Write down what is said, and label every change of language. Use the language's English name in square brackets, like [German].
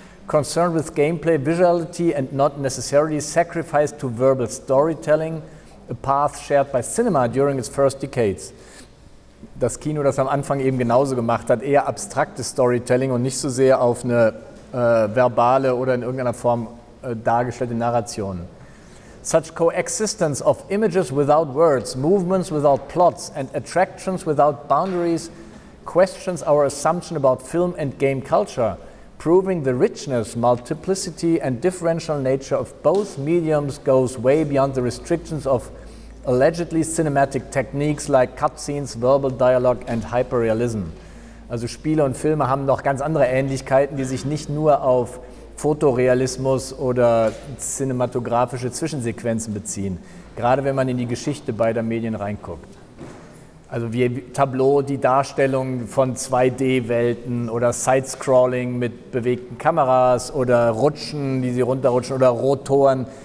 [English] Concerned with gameplay, visuality and not necessarily sacrificed to verbal storytelling, a path shared by cinema during its first decades. [German] Das Kino, das am Anfang eben genauso gemacht hat, eher abstraktes Storytelling und nicht so sehr auf eine verbale oder in irgendeiner Form dargestellte Narration. [English] Such coexistence of images without words, movements without plots and attractions without boundaries questions our assumption about film and game culture, proving the richness, multiplicity and differential nature of both mediums goes way beyond the restrictions of allegedly cinematic techniques like cutscenes, verbal dialogue and hyperrealism. [German] Also Spiele und Filme haben noch ganz andere Ähnlichkeiten, die sich nicht nur auf Fotorealismus oder cinematografische Zwischensequenzen beziehen, gerade wenn man in die Geschichte beider Medien reinguckt. Also wie Tableau, die Darstellung von 2D-Welten oder Sidescrolling mit bewegten Kameras oder Rutschen, die sie runterrutschen oder Rotoren.